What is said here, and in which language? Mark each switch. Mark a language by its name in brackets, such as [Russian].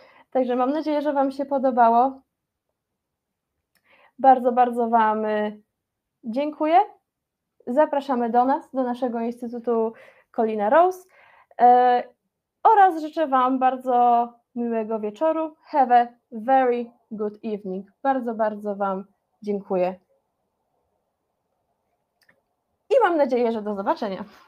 [Polish] Także mam nadzieję, że wam się podobało. Bardzo wam dziękuję. Zapraszamy do nas, do naszego Instytutu Colina Rose. Oraz życzę wam bardzo miłego wieczoru. [English] Have a very good evening. [Polish] Bardzo wam dziękuję. I mam nadzieję, że do zobaczenia.